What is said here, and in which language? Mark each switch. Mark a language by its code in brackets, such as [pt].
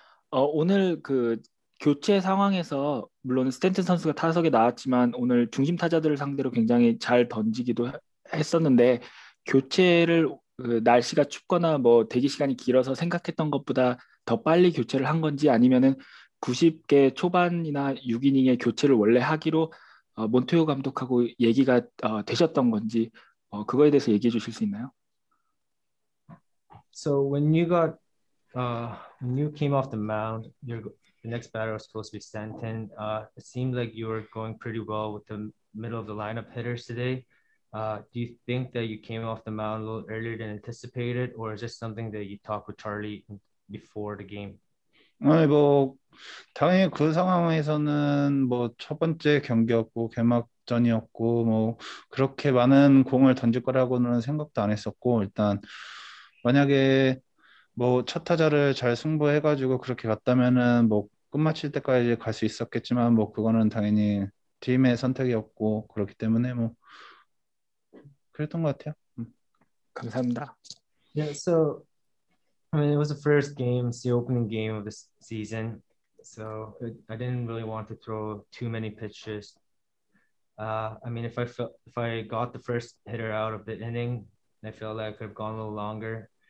[ko] 오늘 그 교체 상황에서 물론 스탠튼 선수가 타석에 나왔지만 오늘 중심 타자들을 상대로 굉장히 잘 던지기도 했었는데 교체를 그 날씨가 춥거나 뭐 대기 시간이 길어서 생각했던 것보다 더 빨리 교체를 한 건지 아니면은 90개 초반이나 6이닝에 교체를 원래 하기로 몬테오 감독하고 얘기가 되셨던 건지 그거에 대해서 얘기해 주실 수 있나요? [en] So when you got when you came off the mound, the next batter was supposed to be Stanton. It seemed like you were going pretty well with the middle of the lineup hitters today. Do you think that you came off the mound a little earlier than anticipated, or is this something that you talked with Charlie before the game? [ko] 아니 뭐 당연히 그 상황에서는 뭐 첫 번째 경기였고 개막전이었고 뭐 그렇게 많은 공을 던질 거라고는 생각도 안 했었고 일단. 만약에 뭐 첫 타자를 잘 승부해가지고 그렇게 갔다면은 뭐 끝마칠 때까지 갈 수 있었겠지만 뭐 그거는 당연히 팀의 선택이었고 그렇기 때문에 뭐 그랬던 것 같아요. 감사합니다. [en] Yeah, so I mean, it was the first game, it's the opening game of the season, so I didn't really want to throw too many pitches. I mean, if I got the first hitter out of the inning, I feel like I could have gone a little longer.